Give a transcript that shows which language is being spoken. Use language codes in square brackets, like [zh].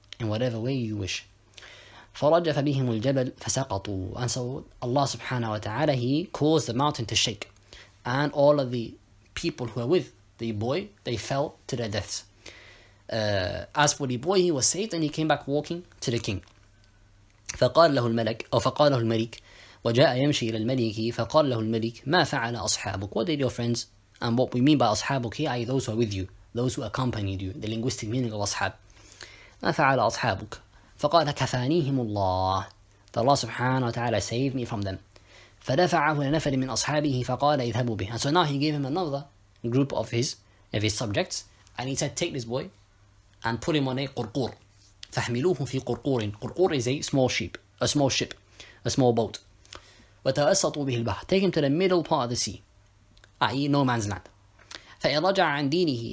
[en] In whatever way you wish. [ar] فَرَجَّفَ بِهِمُ الْجَبَلُ فَسَقَطُوا. [en] And so Allah subhanahu wa ta'ala, he caused the mountain to shake. And all of the people who were with the boy, they fell to their deaths. As for the boy, he was saved and he came back walking to the king. [ar] فقال له الملك أو فقال له الملك وجاء يمشي إلى الملك فقال له الملك ما فعل أصحابك. [en] What did your friends, and what we mean by أصحابك here, i.e. those who are with you, those who accompanied you, the linguistic meaning of أصحاب. [ar] ما فعل أصحابك. فقال كفانيهم الله. [en] That Allah سبحانه وتعالى saved me from them. [ar] فدفعه إلى نفر من أصحابه فقال اذهبوا به. [en] And so now he gave him another group of his subjects. And he said, take this boy and put him on a qurqur. [ar] فَحْمِلُوهُ فِي قُرْقُورٍ. [en] Qurqur is a small boat. [ar] وَتَوَسَّطُوا بِهِ الْبَحْرِ. [en] Take him to the middle part of the sea, i.e. no man's land. [ar] فَإِنْ رَجَعَ عَنْ دِينِهِ.